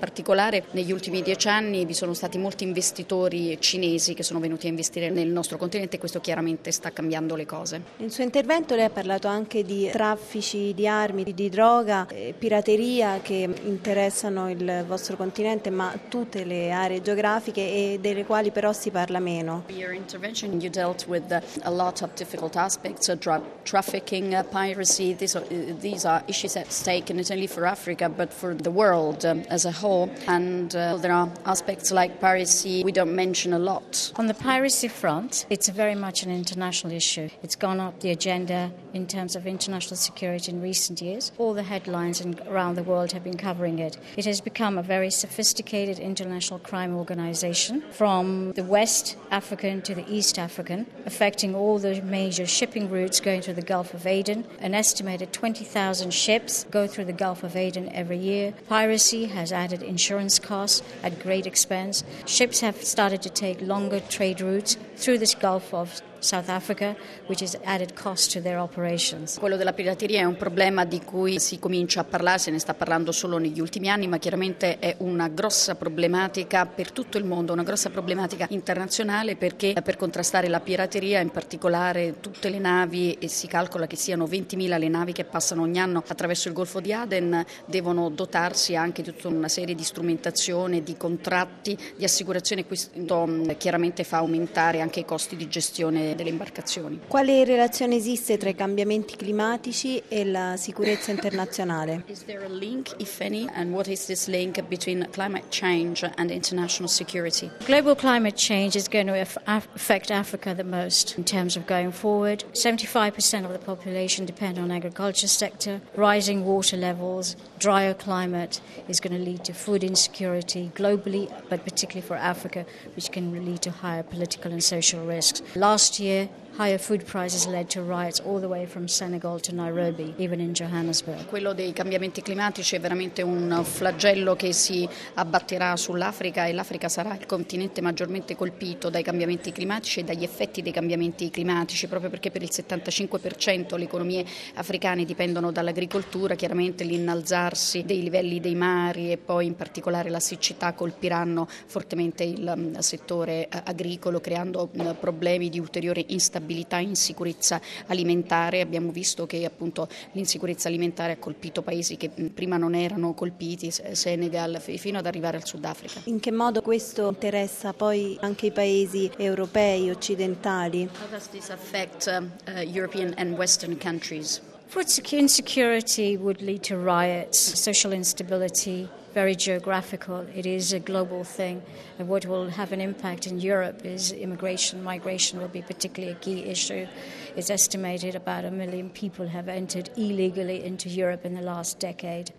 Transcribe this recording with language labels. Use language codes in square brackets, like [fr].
[it] In particolare negli ultimi 10 anni vi sono stati molti investitori cinesi che sono venuti a investire nel nostro continente e questo chiaramente sta cambiando le cose. Nel suo intervento lei ha parlato anche di traffici di armi, di droga, pirateria che interessano il vostro continente ma tutte le aree geografiche e delle quali però si parla meno. [en] In your intervention you dealt with a lot of difficult aspects, drug trafficking, piracy. These are issues at stake not only for Africa but for the world as a whole, and there are aspects like piracy we don't mention a lot. On the piracy front, it's very much an international issue. It's gone up the agenda in terms of international security in recent years. All the headlines around the world have been covering it. It has become a very sophisticated international crime organization from the West African to the East African, affecting all the major shipping routes going through the Gulf of Aden. An estimated 20,000 ships go through the Gulf of Aden every year. Piracy has added insurance costs at great expense. Ships have started to take longer trade routes through this Gulf of South Africa, which has added cost to their operations. [it] Quello della pirateria è un problema di cui si comincia a parlare, se ne sta parlando solo negli ultimi anni, ma chiaramente è una grossa problematica per tutto il mondo, una grossa problematica internazionale, perché per contrastare la pirateria, in particolare tutte le navi, e si calcola che siano 20.000 le navi che passano ogni anno attraverso il Golfo di Aden, devono dotarsi anche di tutta una serie di strumentazione, di contratti, di assicurazione. Questo chiaramente fa aumentare anche i costi di gestione delle imbarcazioni. Quale relazione esiste tra i cambiamenti climatici e la sicurezza internazionale? [en] Is there a link, if any, and what is this link between climate change and international security? Global climate change is going to affect Africa the most in terms of going forward. 75% of the population depend on agriculture sector. Rising water levels, drier climate is going to lead to food insecurity globally, but particularly for Africa, which can lead to higher political and social risks. Last year, Higher food prices led to riots all the way from Senegal to Nairobi, even in Johannesburg. [it] Quello dei cambiamenti climatici è veramente un flagello che si abbatterà sull'Africa e l'Africa sarà il continente maggiormente colpito dai cambiamenti climatici e dagli effetti dei cambiamenti climatici, proprio perché per il 75% le economie africane dipendono dall'agricoltura. Chiaramente l'innalzarsi dei livelli dei mari e poi in particolare la siccità colpiranno fortemente il settore agricolo, creando problemi di ulteriore instabilità e insicurezza alimentare. Abbiamo visto che appunto l'insicurezza alimentare ha colpito paesi che prima non erano colpiti, Senegal fino ad arrivare al Sudafrica. In che modo questo interessa poi anche i paesi europei occidentali? [en] How does this affect European and Western countries? Food insecurity would lead to riots, social instability. Very geographical. It is a global thing, and what will have an impact in Europe is immigration. Migration will be particularly a key issue. It's estimated about 1 million people have entered illegally into Europe in the last decade.